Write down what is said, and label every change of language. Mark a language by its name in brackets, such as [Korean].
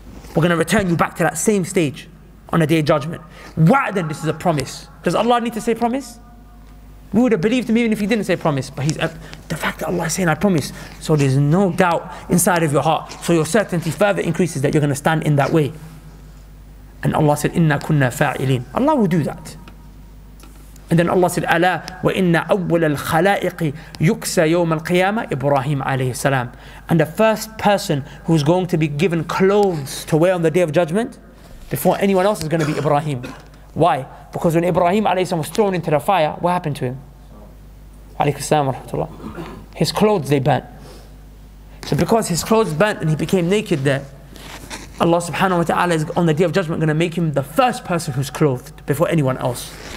[English] We're going to return you back to that same stage on the day of judgment. Wa'dan, this is a promise. Does Allah need to say promise? We would have believed him even if he didn't say promise. But the fact that Allah is saying, I promise, so there's no doubt inside of your heart. So your certainty further increases that you're going to stand in that way. And Allah said, [Arabic] إِنَّا كُنَّا فَاعِلِينَ. [English] Allah will do that. And then Allah said, [Arabic] أَلَا وَإِنَّ أَوَّلَ الْخَلَائِقِ يُكْسَى يَوْمَ الْقِيَامَةِ إِبْرَاهِيمَ عَلَيْهِ السَّلَامِ. [English] And the first person who's going to be given clothes to wear on the day of judgment, before anyone else, is going to be Ibrahim. Why? Because when Ibrahim alayhi salam was thrown into the fire, what happened to him? Alayhi salam wa rahmatullah. His clothes, they burnt. So because his clothes burnt and he became naked there, Allah subhanahu wa ta'ala is on the day of judgment going to make him the first person who's clothed before anyone else.